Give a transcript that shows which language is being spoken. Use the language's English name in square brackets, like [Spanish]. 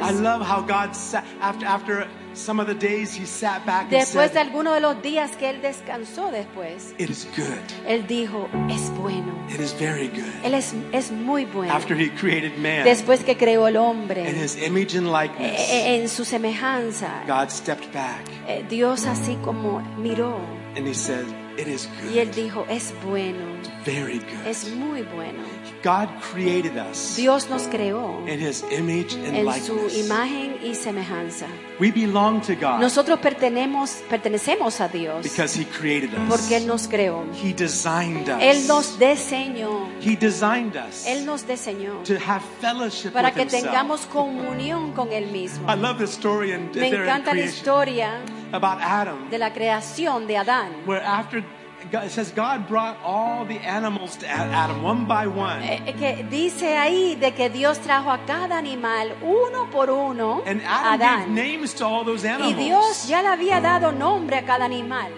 [English] I love how God sat after some of the days He sat back [Spanish] después Después de alguno de los días que él descansó después. [English] It is good. [Spanish] Él dijo, es bueno. [English] It is very good. [Spanish] Él es muy bueno. [English] After He created man. [Spanish] Después que creó el hombre. [English] In His image and likeness. [Spanish] En su semejanza. [English] God stepped back. [Spanish] Dios así como miró. [English] And He said, it is good. [Spanish] Y él dijo, es bueno. [English] Very good. [Spanish] Es muy bueno. [English] God created us. [Spanish] Dios nos creó. [English] In His image and [Spanish] en [English] likeness. [Spanish] En su imagen y semejanza. [English] We belong to God. [Spanish] Nosotros pertenecemos a Dios. [English] Because He created us. [Spanish] Porque él nos creó. [English] He designed us. [Spanish] Él nos diseñó. [English] He designed us. [Spanish] Él nos diseñó. [English] To have fellowship with Him. [Spanish] Para que tengamos comunión con él mismo. [English] I love the story in [Spanish] me encanta la historia [English] about Adam. [Spanish] De la creación de Adán. [English] Where after God, it says God brought all the animals to Adam one by one. [Spanish] Que dice ahí de que Dios trajo a cada animal uno por uno. [English] And Adam [Spanish] Adán. [English] Gave names to all those animals. [Spanish] Y Dios ya le había dado nombre a cada animal.